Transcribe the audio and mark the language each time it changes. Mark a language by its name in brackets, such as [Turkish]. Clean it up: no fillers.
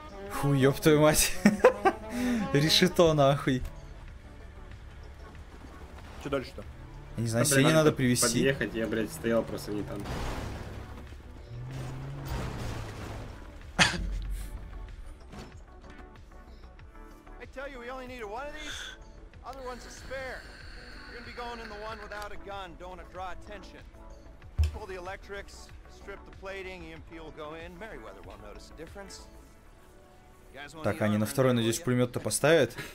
[Russian] Фу, ёб твою мать. Решето нахуй. Чё дальше-то? Я не знаю, Сене надо привезти. Подъехать, я, блядь, стоял просто не там. [English] I tell you, we only need one of these. Other ones are spare. You're gonna be going in the one without a gun, don't wanna draw attention. Pull the electrics, strip the plating, EMP will go in. Merryweather won't notice a difference. [Russian] Так, они на второй, надеюсь, пулемет-то поставят.